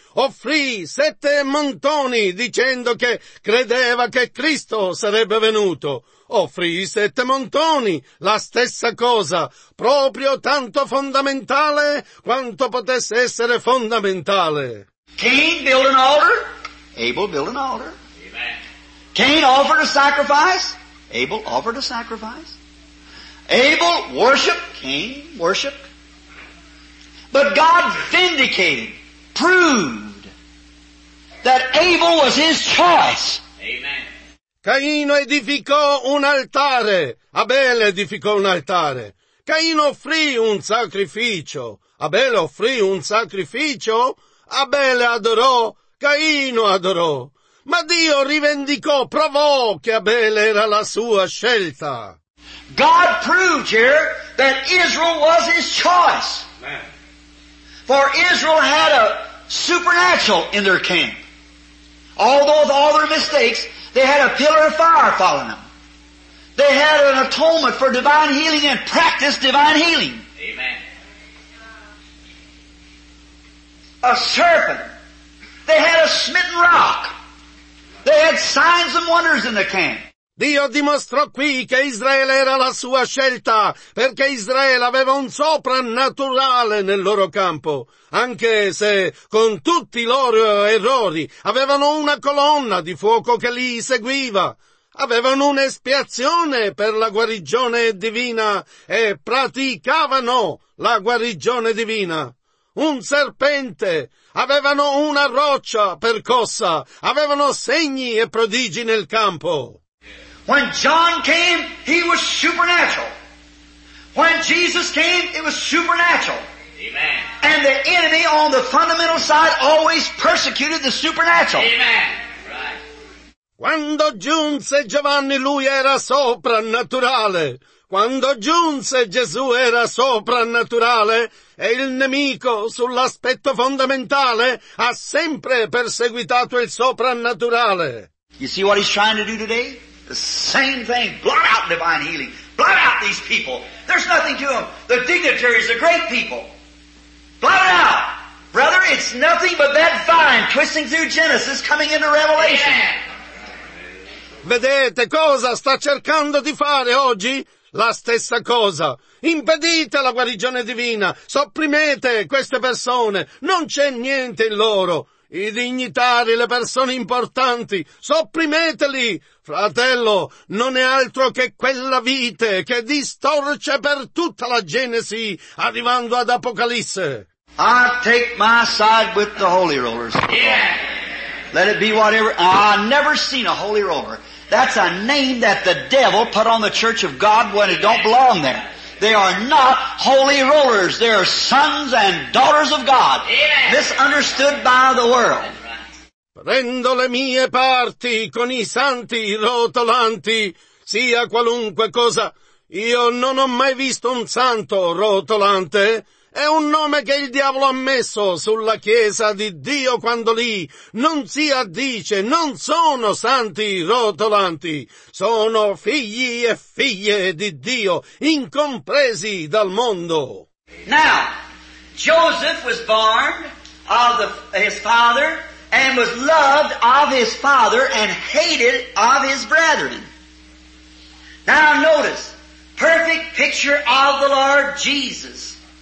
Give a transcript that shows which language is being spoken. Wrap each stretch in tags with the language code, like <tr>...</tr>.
<it>Offrì 7 montoni dicendo che credeva che Cristo sarebbe venuto. Offrì 7 montoni. La stessa cosa. Proprio tanto fondamentale quanto potesse essere fondamentale.</it> <en>Cain built an altar. Abel built an altar. Cain offered a sacrifice. Abel offered a sacrifice. Abel worshiped. Cain worshiped. But God vindicated, proved that Abel was his choice. Amen.</en> <it>Caino edificò un altare. Abele edificò un altare. Caino offrì un sacrificio. Abele offrì un sacrificio. Abele adorò. Caino adorò. Ma Dio rivendicò, provò che Abele era la sua scelta.</it> <en>God proved here that Israel was his choice. Amen. For Israel had a supernatural in their camp. Although with all their mistakes, they had a pillar of fire following them. They had an atonement for divine healing and practiced divine healing. Amen. A serpent. They had a smitten rock. They had signs and wonders in the camp.</en> <it>Dio dimostrò qui che Israele era la sua scelta, perché Israele aveva un soprannaturale nel loro campo, anche se con tutti i loro errori avevano una colonna di fuoco che li seguiva. Avevano un'espiazione per la guarigione divina e praticavano la guarigione divina. Un serpente, avevano una roccia percossa, avevano segni e prodigi nel campo.</it> <en>When John came, he was supernatural. When Jesus came, it was supernatural. Amen. And the enemy on the fundamental side always persecuted the supernatural. Amen.</en> <it>Quando giunse Giovanni, lui era soprannaturale. Quando giunse Gesù era soprannaturale e il nemico sull'aspetto fondamentale ha sempre perseguitato il soprannaturale.</it> <en>You see what he's trying to do today? The same thing. Blot out divine healing. Blot out these people. There's nothing to them. The dignitaries, the great people. Blot it out. Brother, it's nothing but that vine twisting through Genesis coming into Revelation.</en> <it>Vedete cosa sta cercando di fare oggi? La stessa cosa. Impedite la guarigione divina. Sopprimete queste persone. Non c'è niente in loro. I dignitari, le persone importanti. Sopprimeteli. Fratello, non è altro che quella vite che distorce per tutta la Genesi, arrivando ad Apocalisse.</it> <en>I take my side with the holy rollers. Yeah. Let it be whatever. I've never seen a holy roller. That's a name that the devil put on the church of God when it don't belong there. They are not holy rollers. They are sons and daughters of God. Misunderstood by the world.</en> <it>Prendo le mie parti con i santi rotolanti, sia qualunque cosa. Io non ho mai visto un santo rotolante. È un nome che il diavolo ha messo sulla chiesa di Dio quando lì non si addice, non sono santi rotolanti, sono figli e figlie di Dio, incompresi dal mondo.</it> <en>Now, Joseph was born of his father and was loved of his father and hated of his brethren. Now notice, perfect picture of the Lord Jesus.</en>